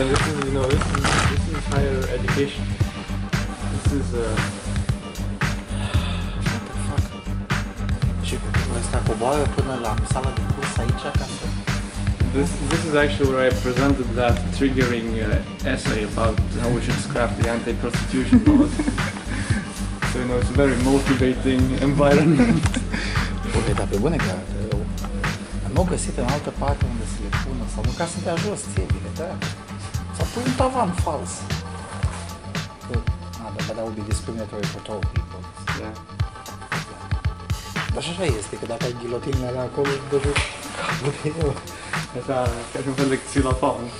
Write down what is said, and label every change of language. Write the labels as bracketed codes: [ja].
[en] And this is, you know, this is higher education. This is, This is actually where I presented that triggering essay about how we should scrap the anti-prostitution laws. So, you know, it's a very motivating environment. [ro] Păi, dar pe bune, că nu găsit în altă parte unde să le pună, sau măcar să te ajuți, ție, bine, da? Sau pui un tavan fals. [en] But that would be discriminatory for tall people. Yeah. [ro] Așa este, că dacă ai ghilotinul ăla acolo, îți dă jos capul de el. Așa, ca și un fel de xilofon.